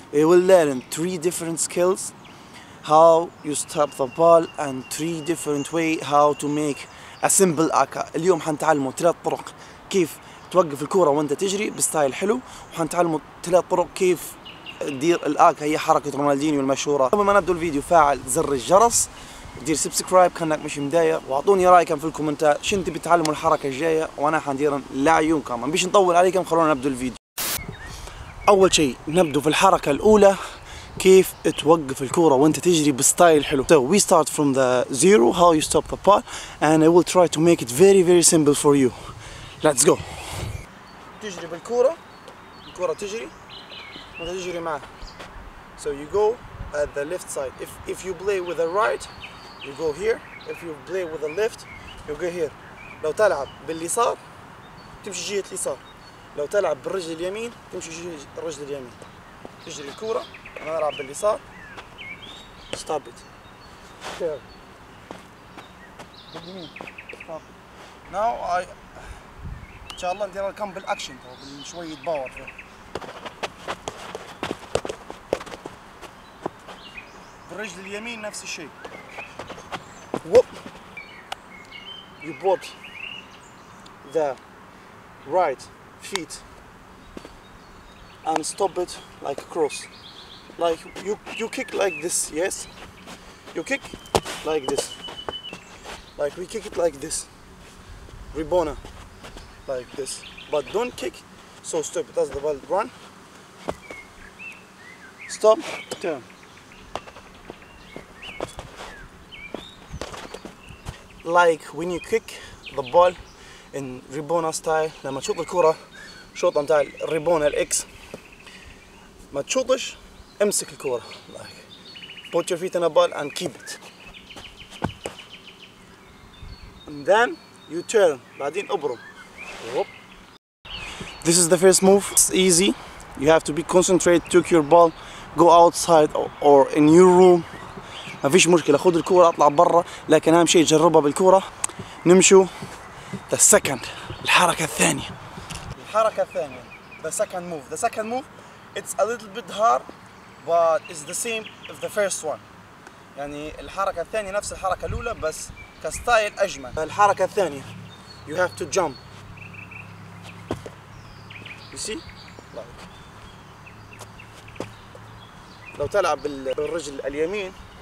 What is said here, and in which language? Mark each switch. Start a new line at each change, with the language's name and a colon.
English: We will learn three different skills, how you stop the ball, and three different way how to make a simple AK.
Arabic: اليوم حنتعلموا ثلاث طرق كيف توقف الكرة وانت تجري بستايل حلو، وحنتعلموا ثلاث طرق كيف تدير الآكا، هي حركة رونالدينيو المشهورة. قبل ما نبدأ الفيديو فعل زر الجرس، دير سبسكرايب كانك مش مداير، واعطوني رايكم في الكومنتات شنو تبي تعلموا الحركه الجايه، وانا حندير لعيون كمان. مش نطول عليكم، خلونا نبدا الفيديو. اول شيء نبدا في الحركه الاولى، كيف توقف الكوره وانت تجري بستايل حلو.
English: So we start from the zero, how you stop the ball, and I will try to make it very very simple for you. Let's go.
Arabic: تجري بالكوره، الكوره تجري وانت تجري معها.
English: So you go at the left side. If you play with the right, you go here. If you play with the left, you go here.
Arabic: لو تلعب باليسار تمشي جهة اليسار، لو تلعب بالرجل اليمين تمشي جهة الرجل اليمين. تجري الكرة، أنا ألعب باليسار.
English: Stop it.
Arabic: باليمين.
English: Stop it. Now I
Arabic: إن شاء الله ندير الكم بالأكشن تو بشوية باور. بالرجل اليمين نفس الشيء.
English: Whoop. You brought the right feet and stop it like cross. Like you kick like this, yes? You kick like this. Like we kick it like this. Ribona. Like this. But don't kick, so stop it as the ball run. Stop, turn. Like when you kick the ball in Ribona style,
Arabic: لما تشوط الكرة شوطة متاع Ribona X ما تشوطش، امسك الكرة.
English: Like put your feet in a ball and keep it. And then you turn.
Arabic: بعدين ابرم.
English: This is the first move. It's easy. You have to be concentrated. Took your ball, go outside or in your room.
Arabic: ما فيش مشكلة، خذ الكورة اطلع برا، لكن أهم شيء جربها بالكورة. نمشوا
English: the second،
Arabic: الحركة الثانية. الحركة الثانية
English: the second move. The second move it's a little bit hard but it's the same as the first one.
Arabic: يعني الحركة الثانية نفس الحركة الأولى بس كستايل أجمل. الحركة الثانية
English: you have to jump. You see? Like.
Arabic: لو تلعب بالرجل اليمين.